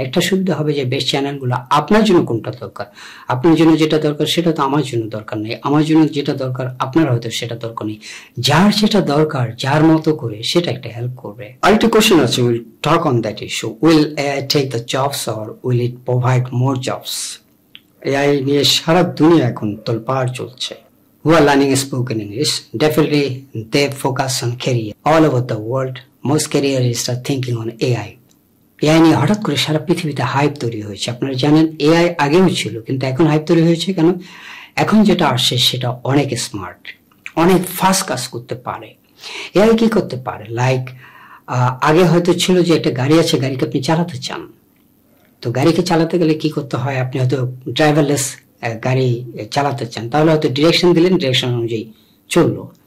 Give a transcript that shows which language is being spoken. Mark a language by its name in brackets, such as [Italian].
[Bangla] একটা সুবিধা হবে যে বেশ চ্যানেলগুলো আপনার জন্য কোনটা দরকার, আপনার জন্য যেটা দরকার সেটা তো আমার জন্য দরকার নেই, আমার জন্য যেটা দরকার আপনার হয়তো সেটা দরকার নেই, যার যেটা দরকার যার মতো করে সেটা একটা হেল্প করবে। আরেকটা কোশ্চেন আছে, [English] Will talk on that issue, will AI take the jobs or will it provide more jobs? [Bangla] AI নিয়ে সারা দুনিয়া এখন তোলপাড় চলছে। [English] who are learning spoken English, definitely they focus on career. All over the world, most careerists are thinking on AI. [Bangla] AI নিয়ে হঠাৎ করে সারা পৃথিবীতে hype তৈরি হয়েছে। আপনারা জানেন AI আগেও ছিল, কিন্তু এখন হাইপ তৈরি হয়েছে কেন? এখন যেটা আসছে সেটা অনেক স্মার্ট, অনেক ফাস্ট কাজ করতে পারে। AI কি করতে পারে? লাইক আগে হয়তো ছিল যে একটা গাড়ি আছে, গাড়িকে আপনি চালাতে চান, তো গাড়িকে চালাতে গেলে কি করতে হয়, আপনি হয়তো ড্রাইভারলেস গাড়ি চালাতে চান, তাহলে হয়তো ডিরেকশন দিলেন, ডিরেকশন অনুযায়ী চললো।